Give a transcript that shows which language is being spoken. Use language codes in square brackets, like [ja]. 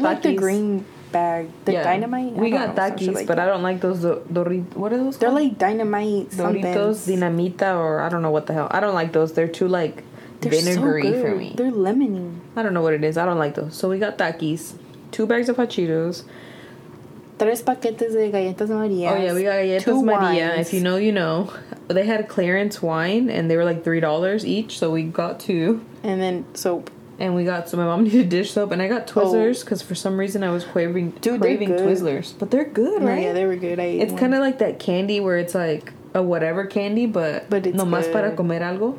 [en] Takis. Like the green bag, the dynamite. We got Takis, like, but I don't like those. What are those? They're called? Like dynamite. Doritos, dinamita, or I don't know what the hell. I don't like those. They're too like vinegary for me. They're lemony. I don't know what it is. I don't like those. So we got Takis, 2 bags of Hot Cheetos. [es] 3 paquetes de galletas María. [en] Oh, yeah, we got galletas María. If you know, you know. They had clearance wine, and they were like $3 each, so we got 2. And then soap. And we got, so my mom needed dish soap, and I got Twizzlers, because for some reason I was craving Twizzlers. But they're good, right? Yeah, they were good. It's kind of like that candy where it's like a whatever candy, but it's [es] nomás para comer algo.